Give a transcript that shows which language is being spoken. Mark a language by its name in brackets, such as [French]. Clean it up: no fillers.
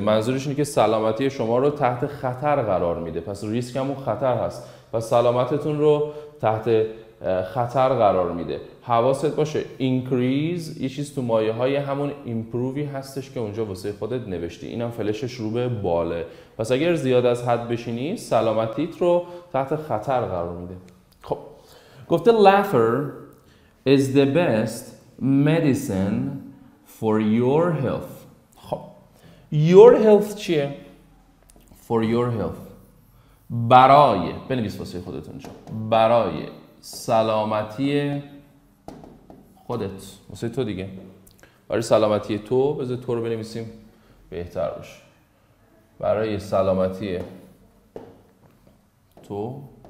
[Persian] منظورش اینه که سلامتی شما رو تحت خطر قرار میده، پس ریسک همون خطر هست، پس سلامتتون رو تحت خطر قرار میده. حواست باشه increase یه چیز تو مایه های همون improve هستش که اونجا واسه خودت نوشتی، اینم فلشش رو به باله، پس اگر زیاد از حد بشینی سلامتیت رو تحت خطر قرار میده. خب گفته [English] laughter is the best medicine for your health. your health [Persian] چیه؟ [English] for your health، [Persian] برای، بنویس واسه خودت اونجا، برای سلامتی خودت، واسه تو دیگه، برای سلامتی تو، بذار تو رو بنویسیم بهتر باشه، برای سلامتی تو.